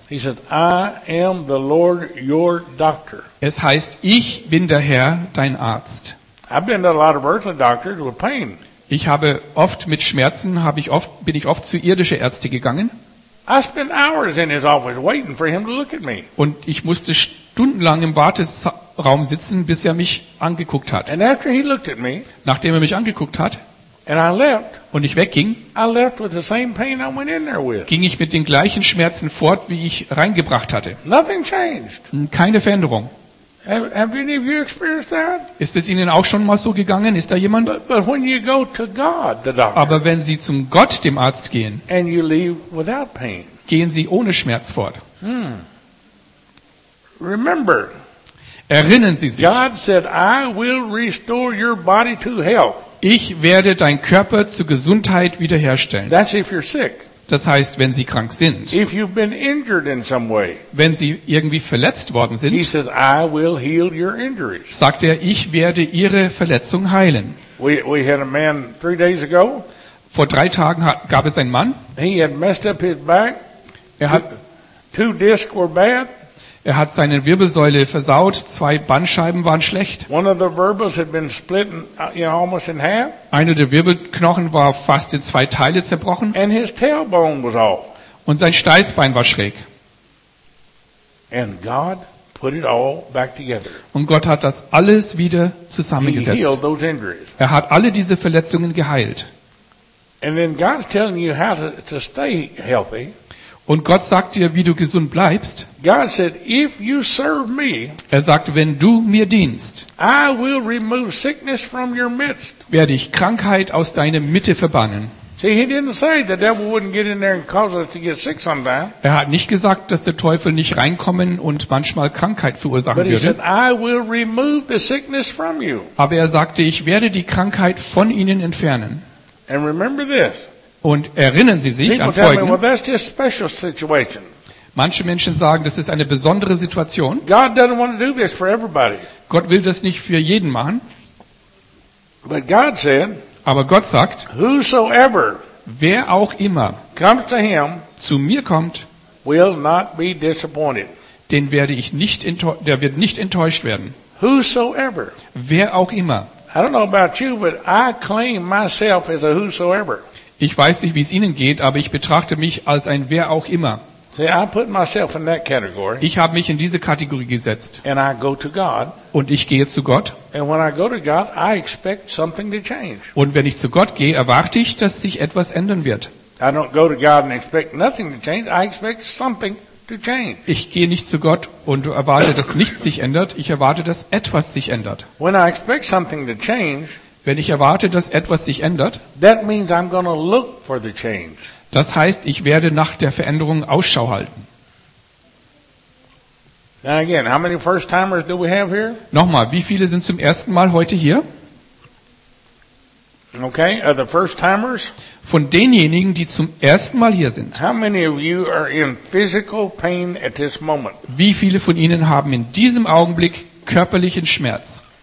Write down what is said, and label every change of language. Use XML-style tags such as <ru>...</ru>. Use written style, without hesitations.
<en>He said, I am the Lord, your doctor.</en> <de>Es heißt, ich bin der Herr, dein Arzt.</de> <en>I've been to a lot of earthly doctors with pain.</en> <de>Ich habe oft mit Schmerzen, bin ich oft zu irdischen Ärzten gegangen.</de> <en>I spent hours in his office waiting for him to look at me.</en> <de>Und ich musste stundenlang im Warteraum sitzen, bis er mich angeguckt hat.</de> <en>And after he looked at me,</en> <de>nachdem er mich angeguckt hat,</de> <en>and I left,</en> <de>und ich wegging,</de> <en>I left with the same pain I went in there with.</en> <de>Ging ich mit den gleichen Schmerzen fort, wie ich reingebracht hatte.</de> <en>Nothing changed.</en> <de>Keine Veränderung.</de> <en>Have any of you experienced that?</en> <de>Ist es Ihnen auch schon mal so gegangen? Ist da jemand?</de> <en>But when you go to God, the doctor,</en> <de>aber wenn Sie zum Gott, dem Arzt, gehen,</de> <en>and you leave without pain,</en> <de>gehen Sie ohne Schmerz fort.</de> <en>Remember,</en> <de>erinnern Sie sich,</de> <en>God said, I will restore your body to health.</en> <de>Ich werde deinen Körper zur Gesundheit wiederherstellen.</de> <en>That's if you're sick.</en> <de>Das heißt, wenn sie krank sind.</de> <en>If you've been injured in some way,</en> <de>wenn sie irgendwie verletzt worden sind,</de> <en>he says, I will heal your injuries.</en> <de>Sagt er, ich werde ihre Verletzung heilen.</de> <en>We had a man 3 days ago.</en> <de>Vor 3 Tagen gab es einen Mann.</de> <en>He had messed up his back. Two discs were bad.</en> <de>Er hat seine Wirbelsäule versaut, 2 Bandscheiben waren schlecht.</de> <en>One of the vertebrae had been split in, you know, almost in half.</en> <de>Eine der Wirbelknochen war fast in 2 Teile zerbrochen.</de> <en>And his tailbone was off.</en> <de>Und sein Steißbein war schräg.</de> <en>And God put it all back together.</en> <de>Und Gott hat das alles wieder zusammengesetzt.</de> <en>He healed those injuries.</en> <de>Er hat alle diese Verletzungen geheilt.</de> <en>And then God's telling you how to stay healthy.</en> <de>Und Gott sagt dir, wie du gesund bleibst.</de> <en>God said, if you serve me,</en> <de>er sagt, wenn du mir dienst,</de> <en>I will remove sickness from your midst.</en> <de>Werde ich Krankheit aus deiner Mitte verbannen. Er hat nicht gesagt, dass der Teufel nicht reinkommen und manchmal Krankheit verursachen</de> <en>but he</en> <de>würde.</de> <en>Said, I will remove the sickness from you.</en> <de>Aber er sagte, ich werde die Krankheit von ihnen entfernen.</de> <en>And remember this.</en> <de>Und erinnern Sie sich an Folgendes.</de> <en>People tell me, well, that's just a special situation.</en> <de>Manche Menschen sagen, das ist eine besondere Situation.</de> <en>God doesn't want to do this for everybody.</en> <de>Gott will das nicht für jeden machen.</de> <en>But God said,</en> <de>aber Gott sagt,</de> <en>whosoever,</en> <de>wer auch immer,</de> <en>comes to him,</en> <de>zu mir kommt,</de> <en>will not be disappointed.</en> <de>Den werde ich nicht der wird nicht enttäuscht werden.</de> <en>Whosoever,</en> <de>wer auch immer.</de> <en>I don't know about you, but I claim myself as a whosoever.</en> <de>Ich weiß nicht, wie es Ihnen geht, aber ich betrachte mich als ein wer auch immer.</de> <en>See, I put myself in that category.</en> <de>Ich habe mich in diese Kategorie gesetzt.</de> <en>And I go to God.</en> <de>Und ich gehe zu Gott.</de> <en>And when I go to God, I expect something to change.</en> <de>Und wenn ich zu Gott gehe, erwarte ich, dass sich etwas ändern wird.</de> <en>I don't go to God and expect nothing to change. I expect something to change.</en> <de>Ich gehe nicht zu Gott und erwarte, dass nichts sich ändert. Ich erwarte, dass etwas sich ändert.</de> <en>When I expect something to change,</en> <de>wenn ich erwarte, dass etwas sich ändert,</de> <en>that means I'm gonna look for the change.</en> <de>Das heißt, ich werde nach der Veränderung Ausschau halten.</de> <en>Now again, how many first-timers do we have here?</en> <de>Nochmal, wie viele sind zum ersten Mal heute hier?</de> <en>Okay, are the first-timers?</en> <de>Von denjenigen, die zum ersten Mal hier sind.</de> <en>How many of you are in physical pain at this moment?</en> <de>Wie viele von Ihnen haben in diesem Augenblick körperlichen Schmerz?</de>